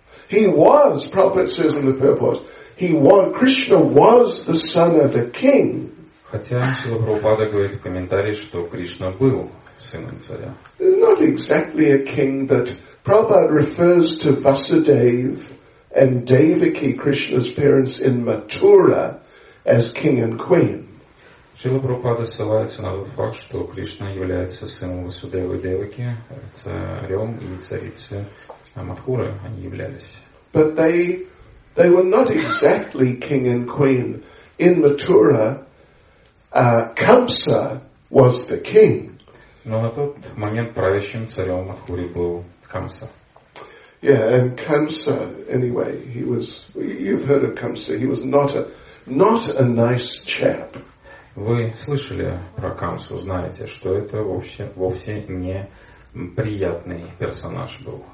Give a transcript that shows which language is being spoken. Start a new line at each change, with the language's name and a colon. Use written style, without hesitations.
English: He was, Prabhupada says in the purport, Krishna was the son of a king.
Russian: Хотя Шрила Прабхупада говорит в комментарии, что Кришна был сыном царя.
English: Not exactly a king, but Prabhupada refers to Vasudeva and Devaki, Krishna's parents in Mathura, as king and queen.
Russian: Шрила Прабхупада ссылается на тот факт, что Кришна является сыном Васудевы и Деваки, царем и царицей Мадхуры они являлись.
English: But they were not exactly king and queen. In Mathura, Kamsa was the king.
Russian: Но на тот момент правящим царем Мадхуры был Камса.
English: Yeah, and Kamsa, anyway, he was. You've heard of Kamsa. He was not a nice chap.
Russian: Вы слышали про Камсу, знаете, что это вовсе не приятный персонаж был.